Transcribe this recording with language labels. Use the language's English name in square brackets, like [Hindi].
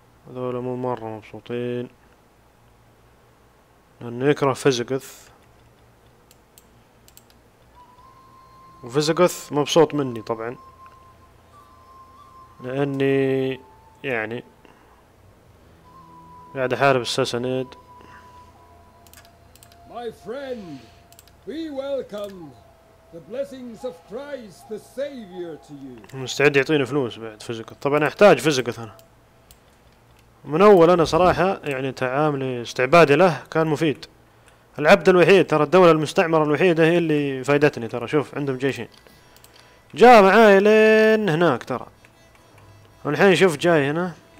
[Arabic] هذول مو مرة مبسوطين لأنه يكره فيزيكوث. وفيزيكوث مبسوط مني طبعا لأني يعني قاعد أحارب الساسانيد. [English] My friend, we welcome the blessings of Christ the Savior to you. [Arabic] مستعد يعطيني فلوس بعد فيزيكوث. طبعا أحتاج فيزيكوث أنا من أول. أنا صراحة يعني تعاملي استعبادي له كان مفيد. العبد الوحيد ترى، الدولة المستعمرة الوحيدة هي اللي فايدتني ترى. شوف عندهم جيشين جاء معاي لين هناك ترى، والحين شوف جاي هنا.